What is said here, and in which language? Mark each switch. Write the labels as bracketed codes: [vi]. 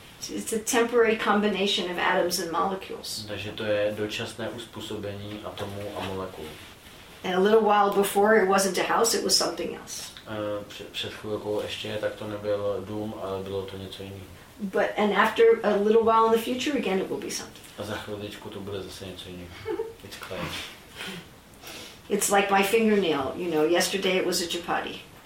[en] It's a temporary combination of atoms and molecules. [cs] Takže to je dočasné uspůsobení atomů a molekul. [en] And a little while before it wasn't a house, it was something else. [cs] Před chvilkou ještě tak to nebyl dům, ale bylo to něco jiného. [en] But and after a little while in the future again it will be something. [cs] A za chviličku to bude zase něco jiného. [en] It's clay. It's like my fingernail, you know, yesterday it was a chapati.